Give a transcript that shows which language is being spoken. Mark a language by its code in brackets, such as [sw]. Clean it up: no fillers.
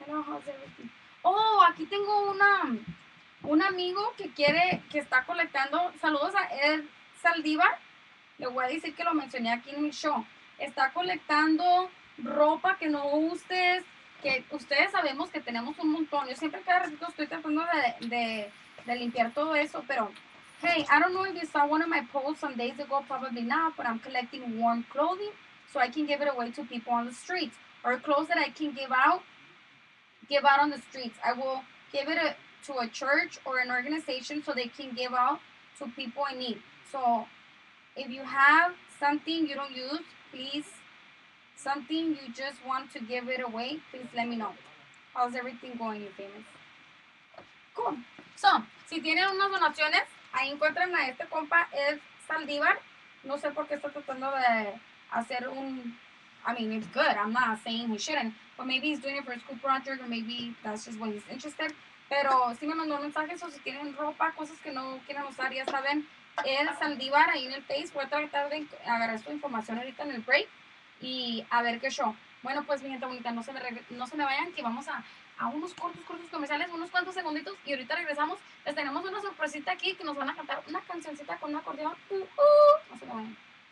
[es] Yeah. Okay. Oh, aquí tengo un amigo que está colectando. Saludos a Ed Saldívar. Le voy a decir que lo mencioné aquí en mi show. Está colectando ropa que no uses, que ustedes sabemos que tenemos un montón. Yo siempre cada ratito estoy tratando de limpiar todo eso, pero... [en] Hey, I don't know if you saw one of my posts some days ago, probably not, but I'm collecting warm clothing so I can give it away to people on the streets or clothes that I can give out on the streets. I will give it to a church or an organization so they can give out to people in need. So if you have something you don't use, please, something you just want to give it away, please let me know. How's everything going, you famous? Cool. [es] So, si tienen unas donaciones, ahí encuentran a este compa, Ed Saldívar. No sé por qué está tratando de hacer un... [en] I mean, it's good. I'm not saying he shouldn't. But maybe he's doing it for a school project, or maybe that's just what he's interested. [es] Pero sí me mandó mensajes, o si tienen ropa, cosas que no quieren usar, ya saben. Ed Saldívar, ahí en el Face. Voy a tratar de agarrar su información ahorita en el break y a ver qué show. Bueno, pues, mi gente bonita, no se me vayan, que vamos a unos cortos comerciales, unos cuantos segunditos, y ahorita regresamos. Les tenemos una sorpresita aquí, que nos van a cantar una cancioncita con un acordeón. No se me vayan.